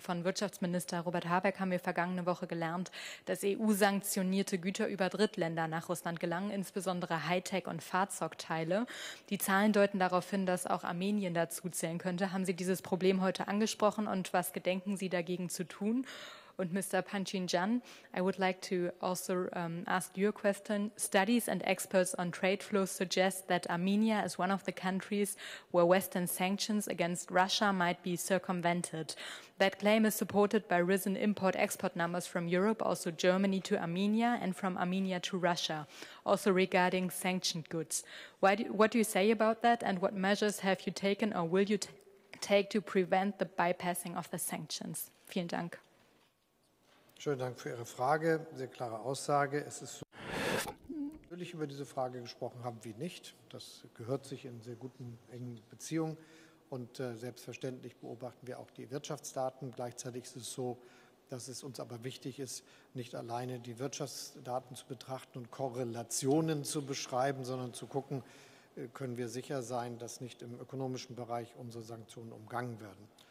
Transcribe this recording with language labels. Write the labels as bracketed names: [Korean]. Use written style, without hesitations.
[German] Von Wirtschaftsminister Robert Habeck haben wir vergangene Woche gelernt, dass EU-sanktionierte Güter über Drittländer nach Russland gelangen, insbesondere Hightech- und Fahrzeugteile. Die Zahlen deuten darauf hin, dass auch Armenien dazu zählen könnte. Haben Sie dieses Problem heute angesprochen? Und was gedenken Sie dagegen zu tun? Und Mr. [English] Pashinyan, I would like to also ask your question. Studies and experts on trade flows suggest that Armenia is one of the countries where Western sanctions against Russia might be circumvented. That claim is supported by risen import-export numbers from Europe, also Germany to Armenia, and from Armenia to Russia, also regarding sanctioned goods. What do you say about that, and what measures have you taken or will you take to prevent the bypassing of the sanctions? [German] Vielen Dank. Schönen Dank für Ihre Frage. Sehr klare Aussage. Es ist so, natürlich über diese Frage gesprochen haben, wie nicht. Das gehört sich in sehr guten, engen Beziehungen. Und selbstverständlich beobachten wir auch die Wirtschaftsdaten. Gleichzeitig ist es so, dass es uns aber wichtig ist, nicht alleine die Wirtschaftsdaten zu betrachten und Korrelationen zu beschreiben, sondern zu gucken, können wir sicher sein, dass nicht im ökonomischen Bereich unsere Sanktionen umgangen werden.